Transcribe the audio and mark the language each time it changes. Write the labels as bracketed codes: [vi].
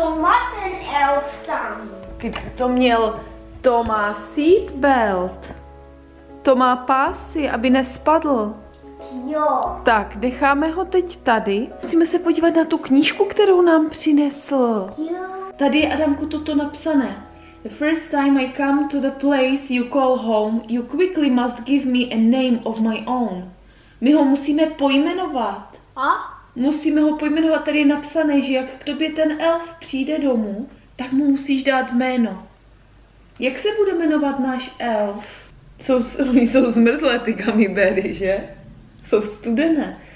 [cs] To má ten elf tam. To měl Thomas seatbelt. To má pásy, aby nespadl. Jo. Tak, necháme ho teď tady. Musíme se podívat na tu knížku, kterou nám přinesl. Jo. Tady je, Adamku, toto napsané. [en] The first time I come to the place you call home, you quickly must give me a name of my own. [cs] My ho musíme pojmenovat. A? Musíme ho pojmenovat. Tady je napsané, že jak k tobě ten elf přijde domů, tak mu musíš dát jméno. Jak se bude jmenovat náš elf? Oni jsou zmrzlé, ty gummy, že? Jsou studené.